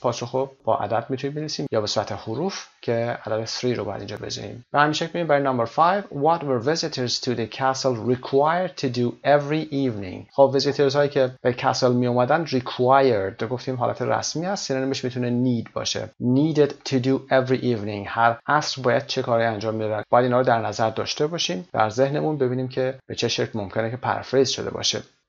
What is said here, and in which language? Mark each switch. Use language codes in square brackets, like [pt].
[fa] پاسخو با عدد میتونیم بنویسیم یا به صورت حروف که عدد 3 رو باید اینجا بزنیم. به همین شکل میبینیم برای نمبر 5. [en] What were visitors to the castle required to do every evening? [fa] خب ویزیترز هایی که به کاسل می اومدن required رو گفتیم حالت رسمی است. سینونیمش میتونه need باشه. [en] Needed to do every evening. [fa] هر عصر باید چه کاری انجام میدادن؟ باید اینا رو در نظر داشته باشیم. در ذهنمون ببینیم که به چه شکل ممکنه که پرفریز شده باشه.